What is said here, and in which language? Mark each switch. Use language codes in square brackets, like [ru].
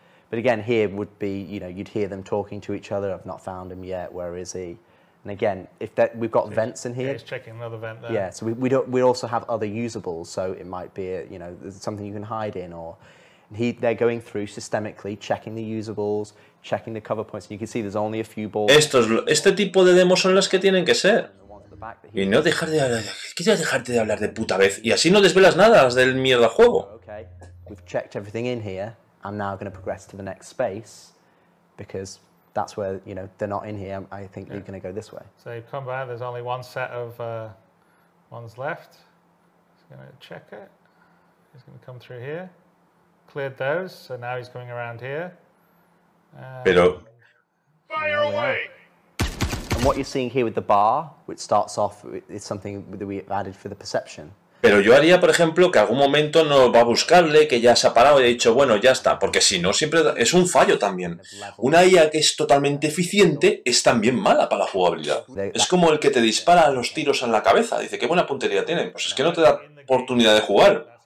[en] But again, here would be, you know, you'd hear them talking to each other. I've not found him yet. Where is he? And again, if that we've got vents in here. Yeah, he's checking another vent there. Yeah, so we also have other usables. So it might be, you know, something you can hide in, or they're going through systemically, checking the usables, checking the cover points. And you can see there's only a few balls. [es] Este tipo de demos son las que tienen que ser. Y no dejar de hablar. Quiero dejarte de hablar de puta vez. Y así no desvelas nada del mierda juego. [en] Okay, we've checked everything in here. I'm now going to progress to the next space because that's where, you know, they're not in here. I think they're going to go this way. So you've come back, there's only one set of ones left. He's going to check it. He's going to come through here. Cleared those, so now he's coming around here. [es] Pero... [en] Fire away! And what you're seeing here with the bar, which starts off, is something that we've added for the perception. [es] Pero yo haría, por ejemplo, que algún momento no va a buscarle, que ya se ha parado y ha dicho, bueno, ya está. Porque si no, siempre es un fallo también. Una IA que es totalmente eficiente es también mala para la jugabilidad. Es como el que te dispara los tiros en la cabeza. Dice, qué buena puntería tienen. Pues es que no te da oportunidad de jugar.